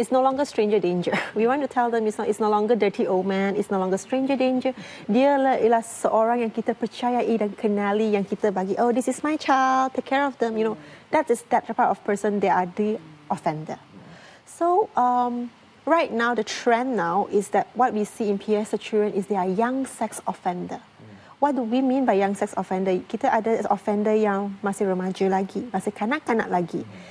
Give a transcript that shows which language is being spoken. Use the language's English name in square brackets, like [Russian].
[English] It's no longer stranger danger. We want to tell them it's no longer dirty old man. It's no longer stranger danger. [Malay] Dia ialah seorang yang kita percayai dan kenali, yang kita bagi, [English] oh, this is my child. Take care of them. You know, that is that part of person. They are the offender. So right now, the trend now is that what we see in PS the Children is they are young sex offender. What do we mean by young sex offender? [Malay] Kita ada offender yang masih remaja lagi, masih kanak-kanak lagi.